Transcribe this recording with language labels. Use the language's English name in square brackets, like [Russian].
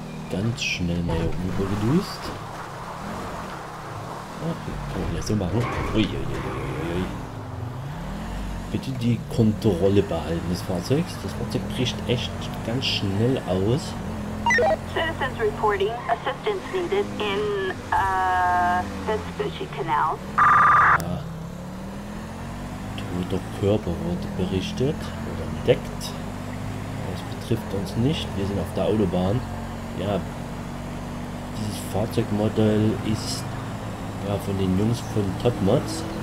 [German] Ganz schnell mal hier oben gedüst. Okay, können wir so machen. Uiuiuiui. Bitte die Kontrolle behalten des Fahrzeugs. Das Fahrzeug bricht echt ganz schnell aus. [English] Citizens reporting assistance needed in Vespucci Canal. [German] Toter Körper wurde berichtet oder entdeckt. Das betrifft uns nicht. Wir sind auf der Autobahn. Ja, dieses Fahrzeugmodell ist ja von den Jungs von Top Mods.